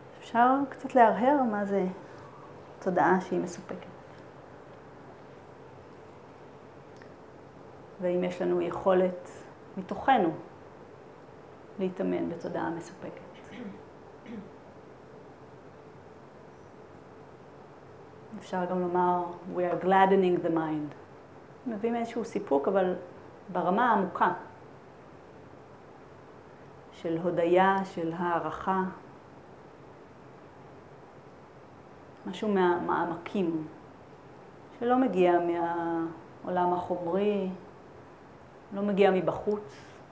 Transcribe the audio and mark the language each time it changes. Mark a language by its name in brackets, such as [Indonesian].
[Hebrew] אפשר קצת להרהר מה זה תודעה שהיא מסופקת. ואם יש לנו יכולת מתוכנו להתאמן בתודעה מסופקת. אפשר גם לומר, [English] we are gladdening the mind. [Hebrew] מביאים איזשהו סיפוק, אבל ברמה העמוקה של הודיה, של הערכה, משהו מהמעמקים, שלא מגיע מהעולם החומרי, לא מגיע מבחוץ.